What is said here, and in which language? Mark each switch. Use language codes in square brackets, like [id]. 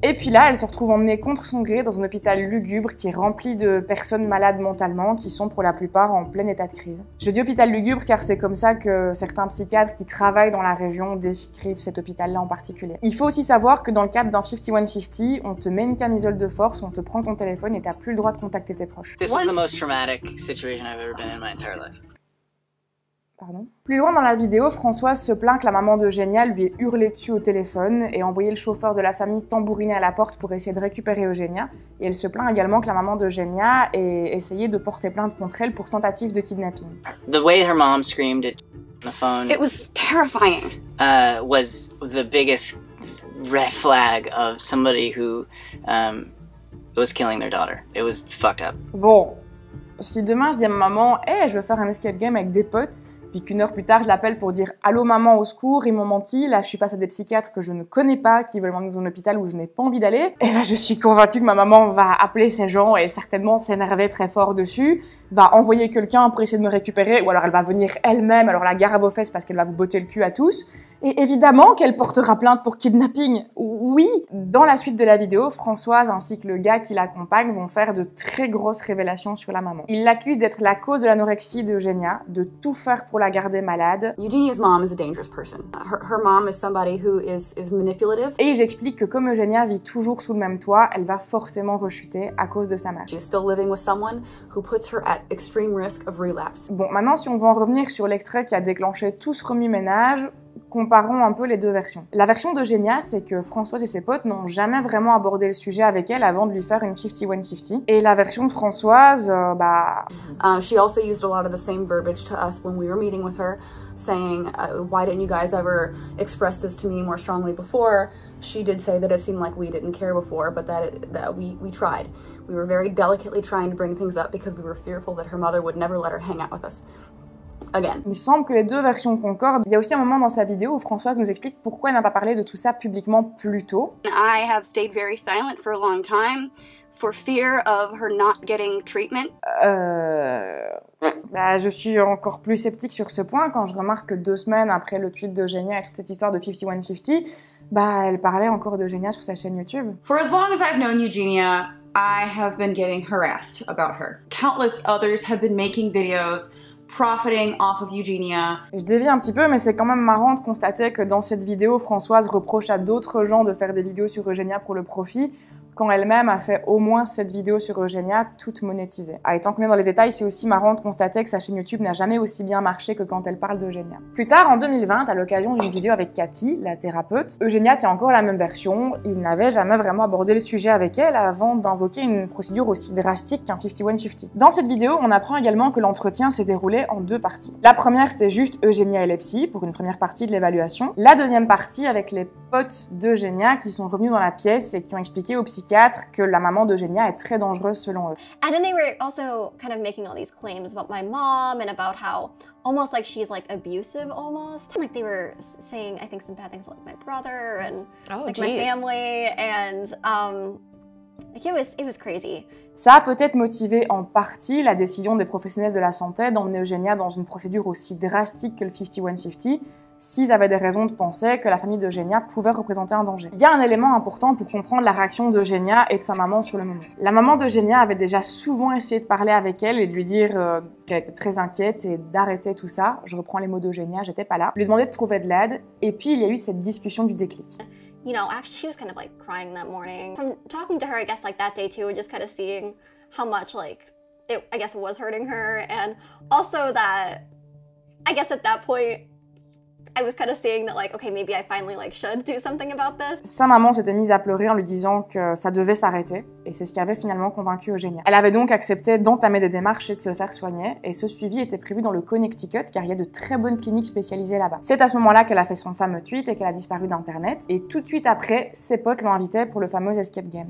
[fr] Et puis là, elle se retrouve emmenée contre son gré dans un hôpital lugubre qui est rempli de personnes malades mentalement qui sont pour la plupart en plein état de crise. Je dis hôpital lugubre car c'est comme ça que certains psychiatres qui travaillent dans la région décrivent cet hôpital-là en particulier. Il faut aussi savoir que dans le cadre d'un 5150, on te met une camisole de force, on te prend ton téléphone et t'as plus le droit de contacter. [en] This was the most traumatic situation I've ever been in my entire life. [fr] Pardon? Plus loin dans la vidéo, Françoise se plaint que la maman d'Eugenia lui ait hurlé dessus au téléphone et envoyé le chauffeur de la famille tambouriner à la porte pour essayer de récupérer Eugenia. Et elle se plaint également que la maman d'Eugenia ait essayé de porter plainte contre elle pour tentative de kidnapping. [en] The way her mom screamed at the phone, it was terrifying. Was the biggest red flag of somebody who was killing their daughter. It was fucked up. [fr] Bon, si demain je dis à ma maman, hey, je veux faire un escape game avec des potes, puis qu'une heure plus tard je l'appelle pour dire allô maman au secours, ils m'ont menti, là je suis face à des psychiatres que je ne connais pas, qui veulent m'emmener dans un hôpital où je n'ai pas envie d'aller, et là je suis convaincue que ma maman va appeler ces gens et certainement s'énerver très fort dessus, va envoyer quelqu'un pour essayer de me récupérer, ou alors elle va venir elle-même, alors la gare à vos fesses parce qu'elle va vous botter le cul à tous, et évidemment qu'elle portera plainte pour kidnapping. Oui, dans la suite de la vidéo, Françoise ainsi que le gars qui l'accompagne vont faire de très grosses révélations sur la maman. Ils l'accusent d'être la cause de l'anorexie d'Eugenia, de tout faire pour la garder malade. [en] Eugenia's mom is a dangerous person. Her mom is somebody who is manipulative. [fr] Et ils expliquent que comme Eugenia vit toujours sous le même toit, elle va forcément rechuter à cause de sa mère. [en] She's still living with someone who puts her at extreme risk of relapse. [fr] Bon, maintenant si on veut en revenir sur l'extrait qui a déclenché tout ce remue-ménage, comparons un peu les deux versions. La version d'Eugenia, c'est que Françoise et ses potes n'ont jamais vraiment abordé le sujet avec elle avant de lui faire une 5150. Et la version de Françoise, [en] She also used a lot of the same verbiage to us when we were meeting with her, saying, why didn't you guys ever express this to me more strongly before? she did say that it seemed like we didn't care before, but that we tried. We were very delicately trying to bring things up because we were fearful that her mother would never let her hang out with us. Again. [fr] Il semble que les deux versions concordent. Il y a aussi un moment dans sa vidéo où Françoise nous explique pourquoi elle n'a pas parlé de tout ça publiquement plus tôt. [en] I have stayed very silent for a long time for fear of her not getting treatment. [fr] Je suis encore plus sceptique sur ce point quand je remarque que deux semaines après le tweet d'Eugénia et toute cette histoire de 5150, elle parlait encore d'Eugénia sur sa chaîne YouTube. [en] For as long as I've known Eugénia, I have been getting harassed about her. Countless others have been making videos profiting off of Eugénia. [fr] Je dévie un petit peu, mais c'est quand même marrant de constater que dans cette vidéo, Françoise reproche à d'autres gens de faire des vidéos sur Eugénia pour le profit, quand elle-même a fait au moins 7 vidéos sur Eugénia, toutes monétisées. Ah, étant qu'on est dans les détails, c'est aussi marrant de constater que sa chaîne YouTube n'a jamais aussi bien marché que quand elle parle d'Eugénia. Plus tard, en 2020, à l'occasion d'une vidéo avec Cathy, la thérapeute, Eugénia tient encore la même version. Il n'avait jamais vraiment abordé le sujet avec elle avant d'invoquer une procédure aussi drastique qu'un 5150. Dans cette vidéo, on apprend également que l'entretien s'est déroulé en deux parties. La première, c'était juste Eugénia et les psy, pour une première partie de l'évaluation. La deuxième partie, avec les potes d'Eugénia qui sont revenus dans la pièce et qui ont expliqué aux psy que la maman d'Eugénia est très dangereuse selon eux. [en] And then they were also kind of making all these claims about my mom and about how almost like she's like abusive almost. Like they were saying I think some bad things about my brother and my family and it was crazy. [fr] Ça a peut-être motivé en partie la décision des professionnels de la santé d'emmener Eugénia dans une procédure aussi drastique que le 5150. S'ils avaient des raisons de penser que la famille d'Eugénia pouvait représenter un danger. Il y a un élément important pour comprendre la réaction d'Eugénia et de sa maman sur le moment. La maman d'Eugénia avait déjà souvent essayé de parler avec elle et de lui dire qu'elle était très inquiète et d'arrêter tout ça. Je reprends les mots d'Eugénia, j'étais pas là. Lui demander de trouver de l'aide. Et puis il y a eu cette discussion du déclic. [en] You know, actually she was kind of like crying that morning. From talking to her, I guess like that day too, just kind of seeing how much like it, I guess, was hurting her. And also that, I guess at that point, I was kind of seeing that like, okay, maybe I finally like should do something about this. [fr] Sa maman s'était mise à pleurer en lui disant que ça devait s'arrêter, et c'est ce qui avait finalement convaincu Eugénia. Elle avait donc accepté d'entamer des démarches et de se faire soigner, et ce suivi était prévu dans le Connecticut, car il y a de très bonnes cliniques spécialisées là-bas. C'est à ce moment-là qu'elle a fait son fameux tweet et qu'elle a disparu d'internet, et tout de suite après, ses potes l'ont invitée pour le fameux escape game.